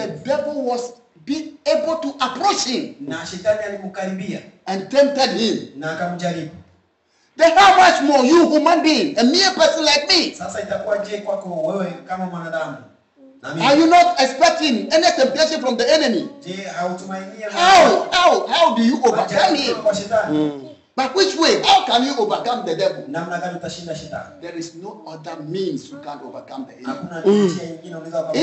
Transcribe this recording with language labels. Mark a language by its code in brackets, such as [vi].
[en] The devil was being able to approach him. [sw] Na shetani alimkaribia. [en] And tempted him. [sw] Na akamjaribu. [en] Then how much more you human being, a mere person like me? [sw] Sasa itakuwa je kwako wewe kama mwanadamu? [en] Are you not expecting any temptation from the enemy? [sw] Je, hautumainia? [en] How do you overcome him? [sw] Kwa shetani. [en] But which way? How can you overcome the devil? [sw] Namna gani utashinda shetani? [en] There is no other means you can overcome the enemy. [sw] Hakuna njia nyingine unaweza kupata.